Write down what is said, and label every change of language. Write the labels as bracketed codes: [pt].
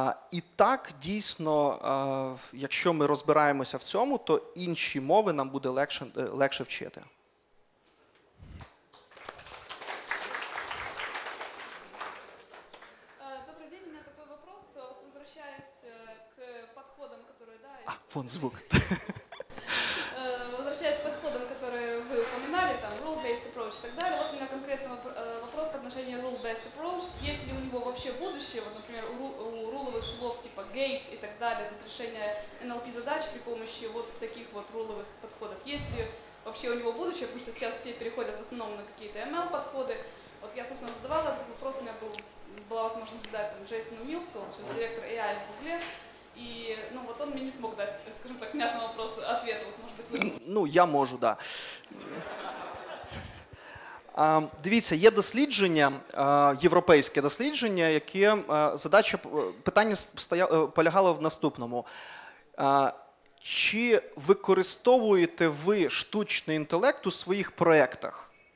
[uk] І так дійсно, якщо ми розбираємося в цьому, то інші мови нам буде легше вчити. Добрий день, у мене такий вопрос. [ru] От возвращаюсь к подходам, которые, да, а, фон звук. И так далее. Вот у меня конкретный вопрос в отношении rule-based approach. Есть ли у него вообще будущее, вот, например, у руловых тулов типа gate и так далее, то есть решение NLP-задач при помощи вот таких вот руловых подходов. Есть ли вообще у него будущее, потому что сейчас все переходят в основном на какие-то ML-подходы. Вот я, собственно, задавала этот вопрос, у меня была возможность задать там, Джейсону Милсу, он сейчас директор AI в Гугле. И, ну, вот он мне не смог дать, скажем так, внятный вопрос, ответ, вот, может быть, вы... Ну, я могу, да. [uk] Дивіться, є дослідження, європейське дослідження, яке задача, питання полягало в наступному. Чи використовуєте ви штучний інтелект у своїх проєктах?